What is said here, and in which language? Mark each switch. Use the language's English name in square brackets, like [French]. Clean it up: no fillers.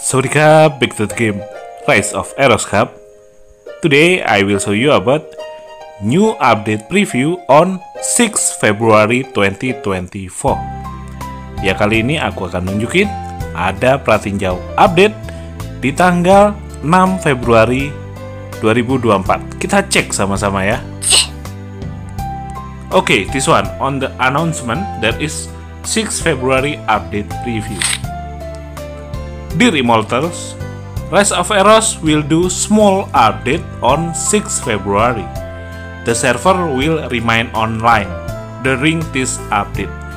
[English] Sawadikap, back to the game Rise of Eros Cup. Today I will show you about new update preview on 6 February 2024. [Indonesian] Ya, kali ini aku akan nunjukin ada pratinjau update di tanggal 6 Februari 2024. Kita cek sama-sama ya. [English] Okay, this one, on the announcement, there is 6 February update preview. Dear Immortals, Rise of Eros will do small update on 6 February. The server will remain online during this update.